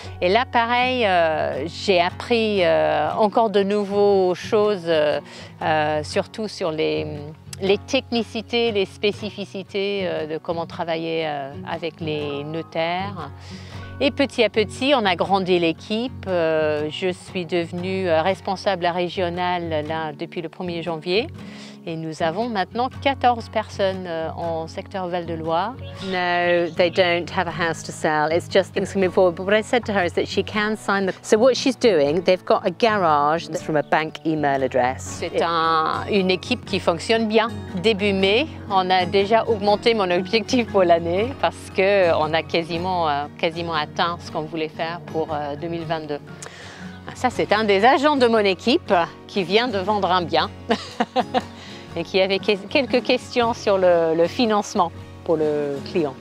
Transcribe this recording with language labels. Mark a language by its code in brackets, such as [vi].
[fr] Et là, pareil, j'ai appris encore de nouvelles choses, surtout sur les technicités, les spécificités de comment travailler avec les notaires. Et petit à petit, on a grandi l'équipe. Je suis devenue responsable régionale là, depuis le 1er janvier. Et nous avons maintenant 14 personnes en secteur Val-de-Loire. [en] No, they don't have a house to sell. It's just things coming forward. But what I said to her is that she can sign the... So what she's doing, they've got a garage that's from a bank email address. [fr] C'est une équipe qui fonctionne bien. Début mai, on a déjà augmenté mon objectif pour l'année parce qu'on a quasiment atteint ce qu'on voulait faire pour 2022. Ça, c'est un des agents de mon équipe qui vient de vendre un bien et qui avait quelques questions sur le financement pour le client.